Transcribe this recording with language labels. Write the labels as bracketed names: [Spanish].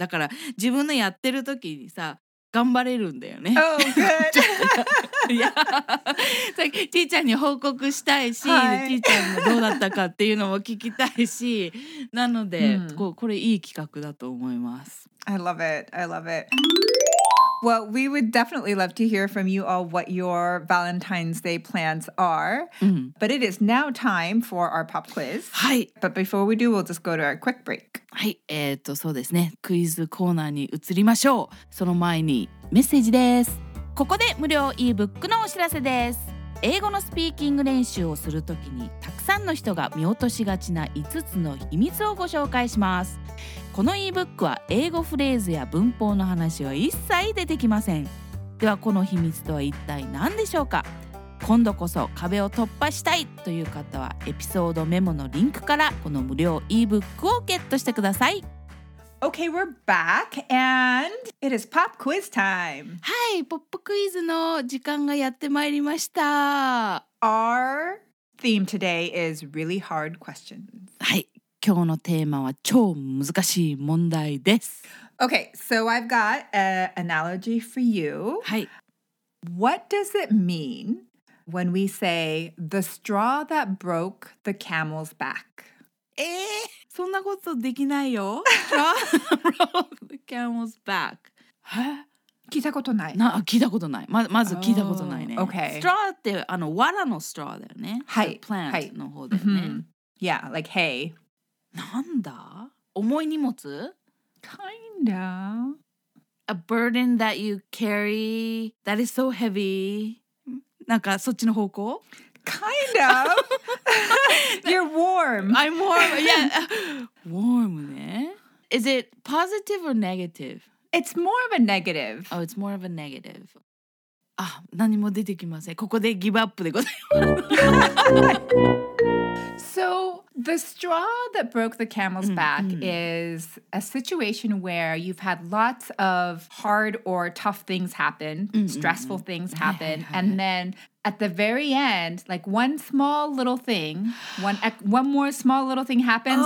[Japanese] だから、自分のやってる時にさ、頑張れるんだよね。 [English] Oh, good. [Japanese] いや、さ、ちーちゃんに報告したいし、はい、ちーちゃんもどうだったかっていうのも聞きたいし、なので、うん、これいい企画だと思います。 [English] I love it. I love it. Well, we would definitely love to hear from you all what your Valentine's Day plans are. Mm-hmm. But it is now time for our pop quiz. Hi. But before we do, we'll just go to our quick break. [Japanese] Hi. そうですね。クイズコーナーに移りましょう。その前にメッセージです。ここで無料 e-book のお知らせです。英語のスピーキング練習をするときにたくさんの人が見落としがちな5つの秘密をご紹介します。この e-book は英語フレーズや文法の話は一切出てきません。ではこの秘密とは一体何でしょうか？今度こそ壁を突破したいという方はエピソードメモのリンクからこの無料 e-book をゲットしてください。 [English] Okay, we're back and it is pop quiz time. [Japanese] はい、ポップクイズの時間がやってまいりました。 [English] Our theme today is really hard questions. [Japanese] はい。今日のテーマは超難しい問題です。 [English] Okay, so I've got an analogy for you. [Japanese] はい。 [English] What does it mean when we say the straw that broke the camel's back? [Japanese] そんなことできないよ。 [English] Straw that broke the camel's back. [Japanese] 聞いたことない。な、聞いたことない。まず聞いたことないね。 [English] Oh, okay. [Japanese] Straw ってあの藁の straw だよね。はい。 Plant の方だよね。はい。Mm-hmm. [English] Yeah, like hay. [Japanese] なんだ?重い荷物? [English] Kinda. A burden that you carry that is so heavy. [Japanese] なんかそっちの方向? [English] Kind of. You're warm. I'm warm, yeah. Warm, ね?Is it positive or negative? It's more of a negative. Oh, it's more of a negative. [Japanese] あ、何も出てきません。ここでギブアップでございます。 [English] So... The straw that broke the camel's back mm-hmm. is a situation where you've had lots of hard or tough things happen, mm-hmm. stressful things happen, mm-hmm. and then at the very end, like one small little thing, one more small little thing happens,